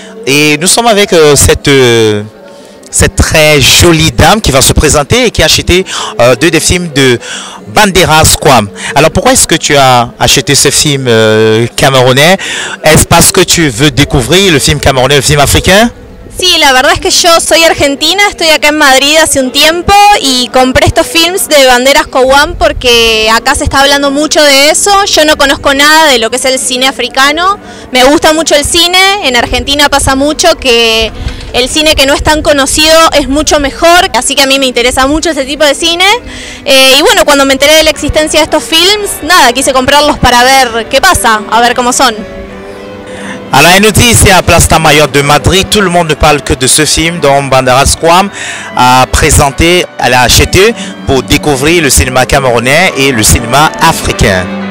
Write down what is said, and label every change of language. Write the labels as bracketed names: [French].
[French] Et nous sommes avec cette très jolie dame qui va se présenter et qui a acheté deux des films de Banderas Kwam. Alors, pourquoi est-ce que tu as acheté ce film camerounais? Est-ce parce que tu veux découvrir le film camerounais, le film africain? [Spanish] Sí, la verdad es que yo soy argentina, estoy acá en Madrid hace un tiempo y compré estos films de Banderas Kwam porque acá se está hablando mucho de eso. Yo no conozco nada de lo que es el cine africano, me gusta mucho el cine, en Argentina pasa mucho que el cine que no es tan conocido es mucho mejor, así que a mí me interesa mucho ese tipo de cine. Y bueno, cuando me enteré de la existencia de estos films, nada, quise comprarlos para ver qué pasa, a ver cómo son. [French] Alors, elle nous dit ici à Plaza Mayor de Madrid, tout le monde ne parle que de ce film dont Banderas Kwam a présenté, elle a acheté pour découvrir le cinéma camerounais et le cinéma africain.